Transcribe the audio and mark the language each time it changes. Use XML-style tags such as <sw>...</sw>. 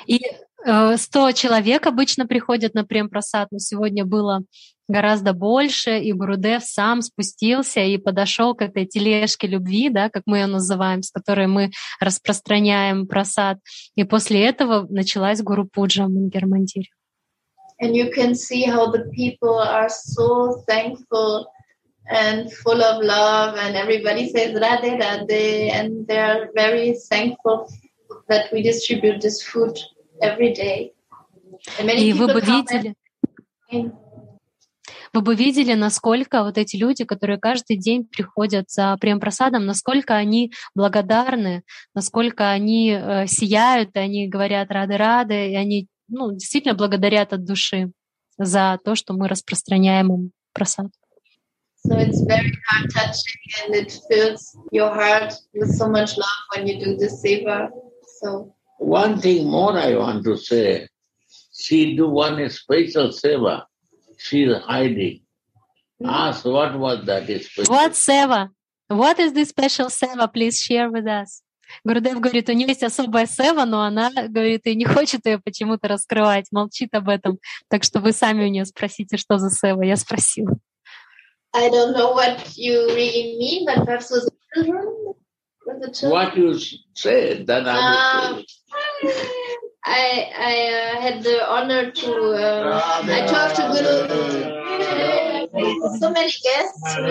<ru>И 100 человек обычно приходят на прем-прасад, но сегодня было гораздо больше, и Гурудев сам спустился и подошел к этой тележке любви, да, как мы ее называем, с которой мы распространяем прасад. И после этого началась Гуру-пуджа в Мангер-Мандире.</ru> <en>And you can see how the people are so thankful and full of love, and everybody says Rade, Rade, and they are very thankful that we distribute this food every day.</en> <ru>И вы бы видели, вы бы видели, насколько вот эти люди, которые каждый день приходят за прем-прасадом, насколько они благодарны, насколько они сияют, и они говорят рады-рады, и они, ну, действительно благодарят от души за то, что мы распространяем им прасад.</ru> <en>So it's very heart-touching, and it fills your heart with so much love when you do this seva. So one thing more I want to say, she do one special seva, she's hiding. Ask what was that special seva? What is this special seva? Please share with us.</en> <ru>Гурудев говорит, у нее есть особая сева, но она говорит и не хочет ее почему-то раскрывать, молчит об этом. Так что вы сами у нее спросите, что за сева. Я спросила.</ru> <en>I don't know what you really mean, but perhaps with the children. With the children. What you said, then I would say. I had the honor to I talked to Guru. So many guests.</en>